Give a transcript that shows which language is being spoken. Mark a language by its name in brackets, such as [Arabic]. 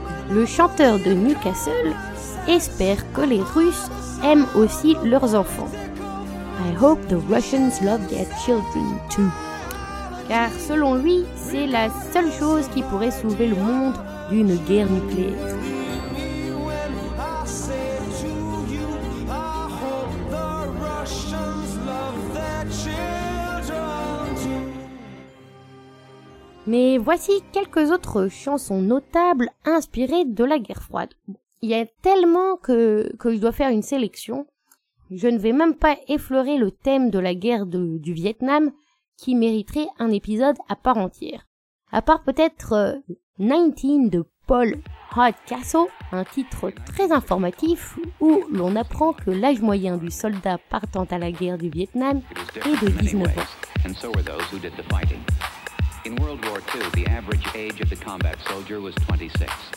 [French] Le chanteur de Newcastle espère que les Russes aiment aussi leurs enfants. [English] I hope the Russians love their children too. [French] Car selon lui, c'est la seule chose qui pourrait sauver le monde d'une guerre nucléaire. Mais voici quelques autres chansons notables inspirées de la guerre froide. Il y a tellement que je dois faire une sélection. Je ne vais même pas effleurer le thème de la guerre du Vietnam qui mériterait un épisode à part entière. À part peut-être 19 de Paul Hardcastle, un titre très informatif où l'on apprend que l'âge moyen du soldat partant à la guerre du Vietnam est de 19 ans. [English] And so were those who did the fighting. In World War II, the average age of the combat soldier was 26.